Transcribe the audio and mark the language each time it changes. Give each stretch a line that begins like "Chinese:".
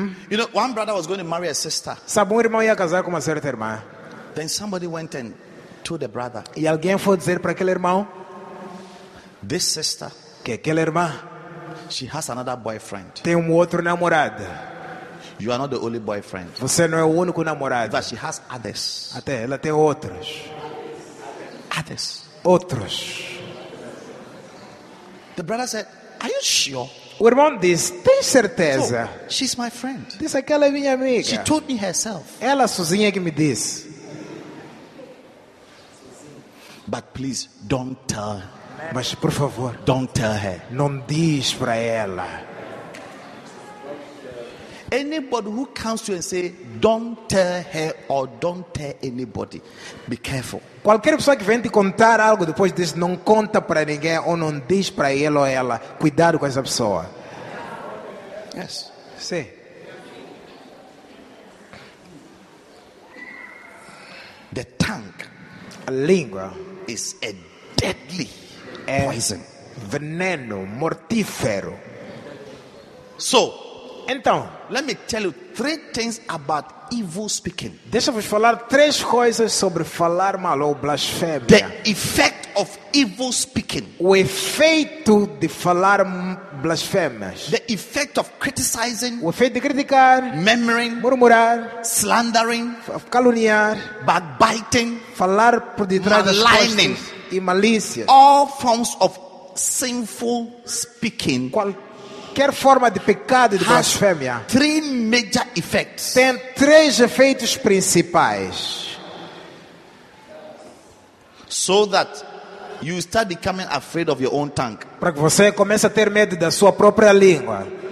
English: You know, one brother was going to marry a sister.
Portuguese: Sabe, irmão ia casar com uma certa irmã.
English: Then somebody went and to the brother.
Portuguese: E alguém foi dizer para aquele irmão,
English: this sister,
Portuguese: que aquela irmã,
English: she has another boyfriend.
Portuguese: Tem outro namorado.
English: You are not the only boyfriend.
Portuguese: Você não é o único namorado.
English: But she has others.
Portuguese: Até ela tem outros.
English: Others.
Portuguese: Outros.
English: The brother said, are you sure?
Portuguese: O irmão disse, tem certeza?
English: So, she's my friend.
Portuguese: Disse aquela é minha amiga.
English: She told me herself.
Portuguese: Ela sozinha que me disse.
English: But please don't tell.
Portuguese: Mas por favor,
English: don't tell her.
Portuguese: Não diz para ela.
English: Anybody who comes to you and say don't tell her or don't tell anybody, be careful.
Portuguese: Qualquer pessoa que vem te contar algo depois diz não conta para ninguém ou não diz para ele ou ela, cuidado com essa pessoa.
English: Yes.
Portuguese: Sim.
English: The tongue,
Portuguese: a língua,
English: is a deadly poison,
Portuguese: veneno mortífero.
English: So,
Portuguese: então,
English: let me tell you three things about evil speaking.
Portuguese: Deixa-vos falar três coisas sobre falar mal ou blasfêmia.
English: The effect of evil speaking.
Portuguese: O efeito de falar blasfêmias.
English: The effect of criticizing.
Portuguese: O efeito de criticar.
English: Murmuring.
Portuguese: Murmurar.
English: Slandering.
Portuguese: Caluniar.
English: Backbiting.
Portuguese: Falar por detrás das costas.
English: Maligning.
Portuguese: E malícia.
English: All forms of sinful speaking.
Portuguese: Qualquer forma de pecado e de blasfêmia.
English: Three major effects.
Portuguese: Tem três efeitos principais.
English: So that you start becoming afraid of your own tongue.
Portuguese: Para que você comece a ter medo da sua própria língua.